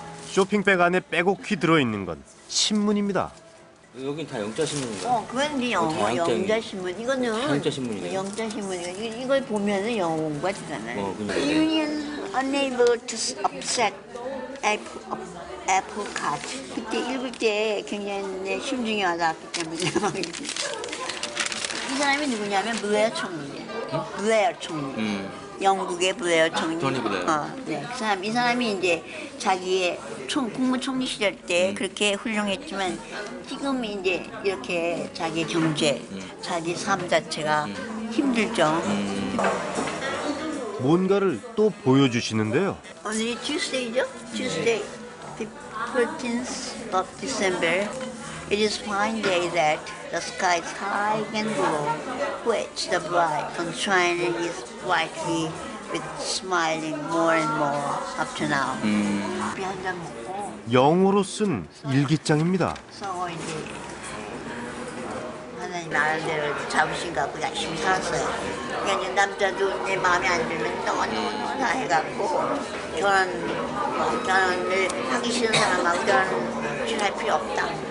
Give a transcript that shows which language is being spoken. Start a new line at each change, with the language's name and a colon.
Korean: 쇼핑백 안에 빼곡히 들어있는 건 신문입니다. 여긴 다 영자 신문인가? 어, 그건 영어 영자 신문. 이거는 영자 신문이네. 영자 신문이야. 이걸 보면은 영어 같잖아요. 어, 그냥.
English: The union unable to upset apple cart.
Korean: 그때 읽을 때 굉장히 심중이 와닿았기 때문에. 이 사람이 누구냐면 블레어 총리예요. 응? 블레어 총리. 영국의 블레어 총리. 아, 토니 블레어. 어, 네. 이 사람이 이제 자기의 국무총리 시절 때 그렇게 훌륭했지만 지금 이제 이렇게 자기 경제, 자기 삶 자체가 힘들죠. 뭔가를 또 보여주시는데요. 오늘이 Tuesday죠?
English: Tuesday, the 13th of December. It is fine day that the sky is high and blue, which the bright sun shining is brightly with smiling more and more up to now.
Korean: 커피 한 잔 먹고. 영어로 쓴 일기장입니다. 이제 하나님 나름대로 자부심 갖고 열심히 살았어요. 그냥 남자도 내 마음에 안 들면 너무너무 다 해갖고 결혼을 하기 싫은 사람하고 결혼을 취할 필요 없다.